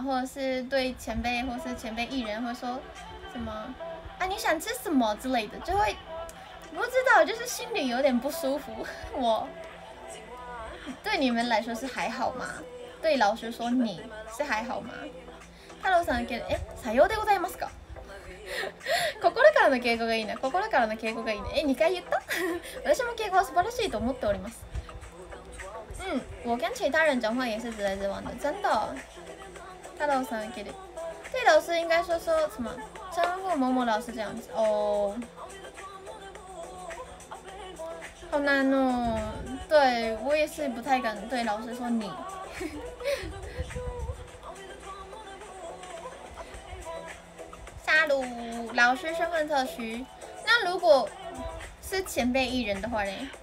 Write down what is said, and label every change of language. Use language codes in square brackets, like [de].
[zh] 或者是对前辈或是前辈艺人会说什么啊，你想吃什么之类的，就会不知道，就是心里有点不舒服。我对你们来说是还好吗？对老师说你是还好吗？ [ja] 太郎さんは、え、さようでございますか。心からの敬語がいいね。心からの敬語がいいね。え、二回言った？私も敬語は素晴らしいと思っております。 [zh] うん、我跟其他人讲话也是直来直往的，真的。 [ja] 太郎さんは、え、 [zh] 对老师应该说说什么？称呼某某老师这样子哦。好难哦，对我也是不太敢对老师说你。沙鲁老师身份特区，那如果是前辈艺人的话嘞？